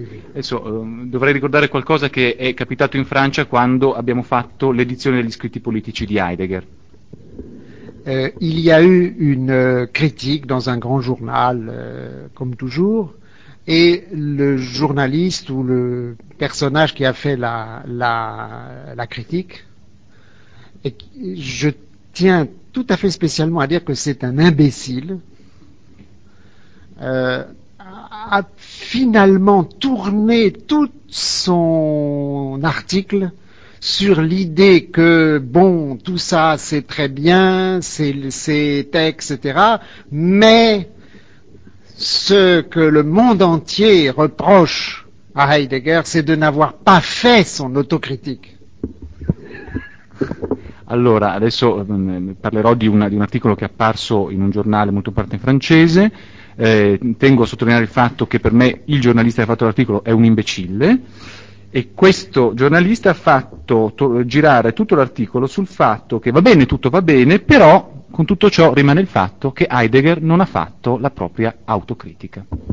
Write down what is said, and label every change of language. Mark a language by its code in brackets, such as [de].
[it] Adesso dovrei ricordare qualcosa che è capitato in Francia quando abbiamo fatto l'edizione degli scritti politici di Heidegger. [fr] Il y a eu une critique dans un grand journal, comme toujours, et le journaliste ou le personnage qui a fait la critique, et je tiens tout à fait spécialement à dire que c'est un imbécile, a finalement tourné tout son article sur l'idée que, bon, tout ça c'est très bien, c'est etc., mais ce que le monde entier reproche à Heidegger, c'est de n'avoir pas fait son autocritique. [it] Allora, adesso parlerò di un articolo che è apparso in un giornale molto parte in francese. Tengo a sottolineare il fatto che per me il giornalista che ha fatto l'articolo è un imbecille e questo giornalista ha fatto girare tutto l'articolo sul fatto che va bene, tutto va bene, però con tutto ciò rimane il fatto che Heidegger non ha fatto la propria autocritica.